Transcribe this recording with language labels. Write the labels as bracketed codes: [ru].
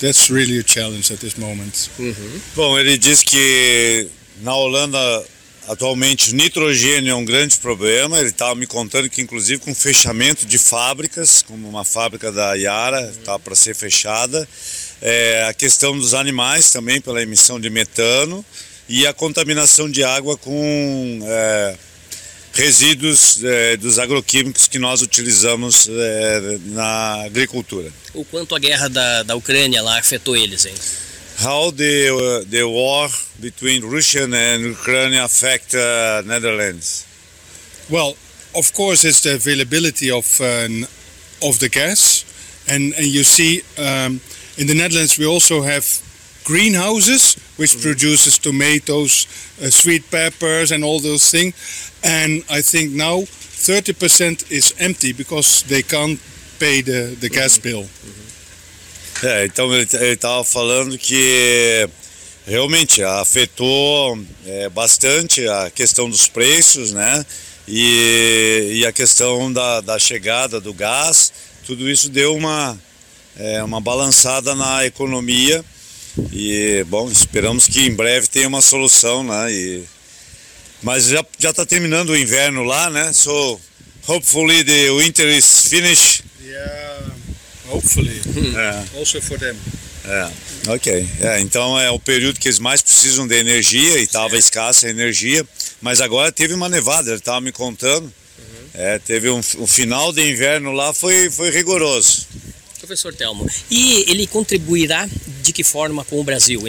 [en] That's really a challenge at this moment. [pt] Bom, ele diz que na Holanda atualmente nitrogênio é um grande problema. Ele estava me contando que inclusive com fechamento de fábricas, como uma fábrica da Yara, está para ser fechada, a questão dos animais também pela emissão de metano, e a contaminação de água com resíduos dos agroquímicos que nós utilizamos na agricultura. O quanto a guerra da Ucrânia lá afetou eles, hein? [en] How the war between Russia and Ukraine affect Netherlands? Well, of course, it's the availability of the gas, and you see in the Netherlands we also have greenhouses which produces tomatoes, sweet peppers and all those things, and I think now 30% is empty because they can't pay the gas bill. [pt] Então ele estava falando que realmente afetou bastante a questão dos preços, né, e a questão da chegada do gás. Tudo isso deu uma balançada na economia. E, bom, esperamos que em breve tenha uma solução, né? Mas já está terminando o inverno lá, né? [en] So, hopefully the winter is finished. Yeah, hopefully. Also for them. Ok. [pt] Então é o período que eles mais precisam de energia, e estava escassa a energia. Mas agora teve uma nevada, ele estava me contando. Teve um final de inverno lá, foi rigoroso. Professor Telmo, e ele contribuirá de que forma com o Brasil?